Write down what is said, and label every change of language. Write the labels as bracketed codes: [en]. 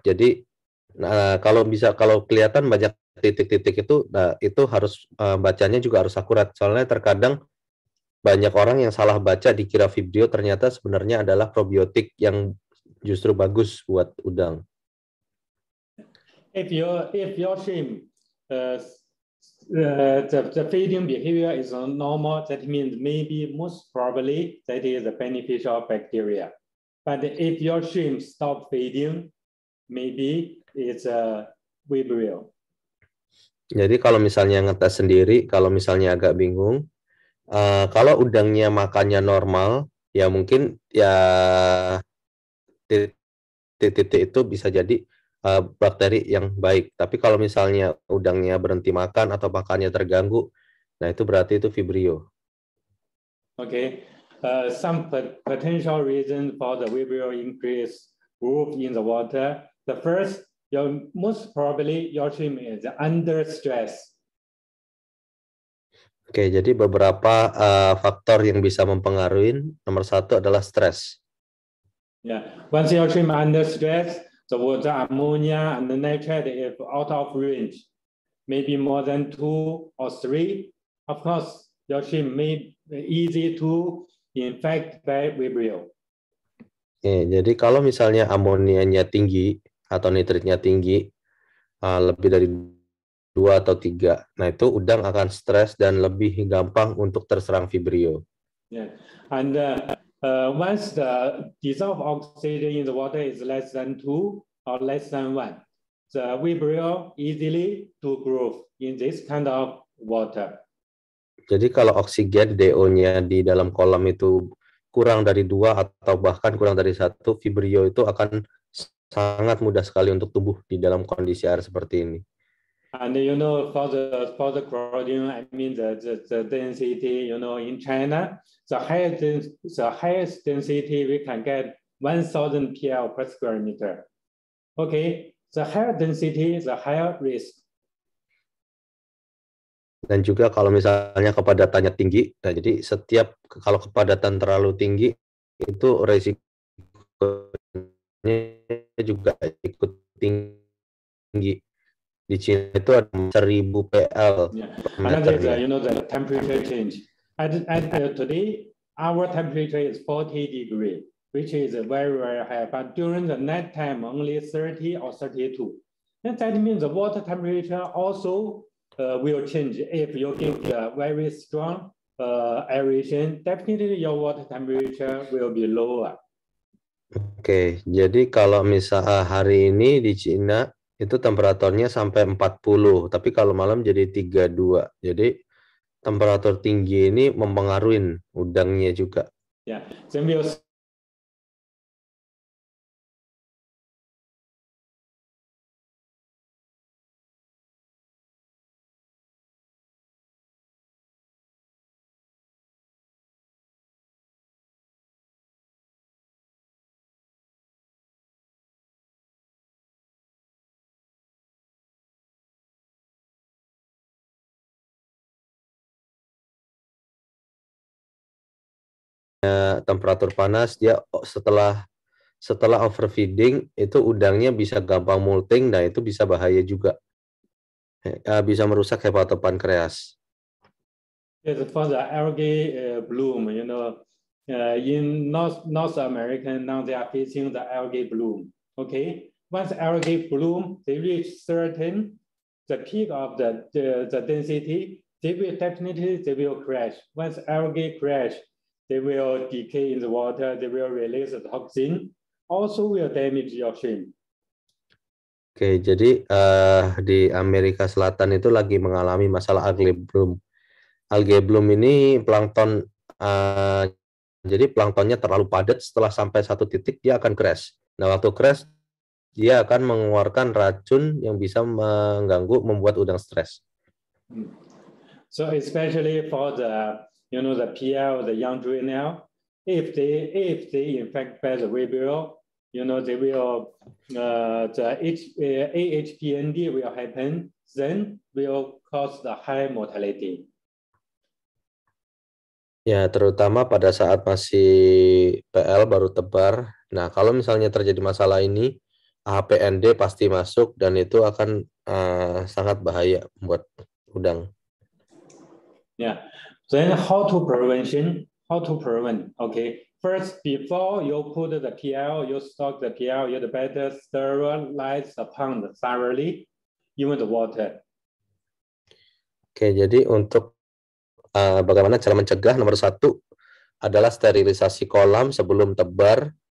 [id] Jadi kalau bisa, kalau kelihatan banyak titik-titik itu, itu harus bacanya juga harus akurat. Soalnya terkadang banyak orang yang salah baca, dikira vibrio ternyata sebenarnya adalah probiotik yang justru bagus buat udang. [en] If your shrimp the feeding behavior is normal, that means maybe most probably that is a beneficial bacteria. But if your shrimp stop feeding, maybe it's a vibrio. [id] Jadi kalau misalnya ngetes sendiri, kalau misalnya agak bingung, kalau udangnya makannya normal, ya mungkin ya titik-titik itu bisa jadi bakteri yang baik. Tapi kalau misalnya udangnya berhenti makan atau makannya terganggu, nah itu berarti itu vibrio. [en] Okay, some potential reason for the vibrio increase group in the water. The first, your most probably your shrimp is under stress. [id] Okay, jadi beberapa faktor yang bisa mempengaruhi, nomor satu adalah stress. [en] Yeah, once your shrimp under stress, so the ammonia and the nitrate is out of range, maybe more than 2 or 3. Of course, your shrimp may be easy to infect by vibrio. [id] Yeah, jadi kalau misalnya amonianya tinggi atau nitritnya tinggi, lebih dari 2 atau 3, nah itu udang akan stres dan lebih gampang untuk terserang vibrio. [en] Yeah, and once the dissolved oxygen in the water is less than 2 or less than 1, the vibrio easily to grow in this kind of water. [id] Jadi kalau oksigen DO-nya di dalam kolam itu kurang dari 2 atau bahkan kurang dari 1, vibrio itu akan sangat mudah sekali untuk tumbuh di dalam kondisi air seperti ini. [en] And you know for the chlorodium, I mean the density, you know, in China, the highest density we can get 1,000 PL per square meter. Okay, the higher density, the higher risk. [id] Dan juga kalau misalnya kepadatannya tinggi, nah jadi setiap kalau kepadatan terlalu tinggi, itu risikonya juga ikut tinggi. Di Cina itu ada 1000 PL. [en] Yeah. Another is, you know, the temperature change. At today, our temperature is 40 degrees, which is very, very high. But during the night time, only 30 or 32. And that means the water temperature also will change. If you give a very strong aeration, definitely your water temperature will be lower. [id] Okay, jadi kalau misalnya hari ini di Cina, itu temperaturnya sampai 40, tapi kalau malam jadi 32. Jadi temperatur tinggi ini mempengaruhi udangnya juga. Ya, yeah. Sembius. temperatur panas, dia setelah setelah overfeeding itu udangnya bisa gampang molting, nah itu bisa bahaya juga, bisa merusak hepatopankreas. [en] Yes, for the algae bloom, you know, in North America now they are facing the algae bloom. Okay, once algae bloom, they reach certain the peak of the density, they will crash. Once algae crash, they will decay in the water, they will release a toxin, also will damage your shrimp. [id] Okay, jadi di Amerika Selatan itu lagi mengalami masalah algae bloom. Algae bloom ini plankton, jadi planktonnya terlalu padat, setelah sampai satu titik dia akan crash. Nah, waktu crash dia akan mengeluarkan racun yang bisa mengganggu, membuat udang stres. [en] So especially for the, you know, the PL, the young juvenile, if they infect by the vibrio, you know, they will AHPND will happen, then will cause the high mortality. [id] Ya, terutama pada saat masih PL, baru tebar. Nah, kalau misalnya terjadi masalah ini, HPND pasti masuk dan itu akan sangat bahaya buat udang. [en] Ya, yeah. Then how to prevention? How to prevent? Okay, first before you put the PL, you stock the PL, you'd better sterilize the pond thoroughly, even the water. [id] Okay, jadi untuk bagaimana cara mencegah, nomor satu adalah sterilisasi kolam sebelum tebar.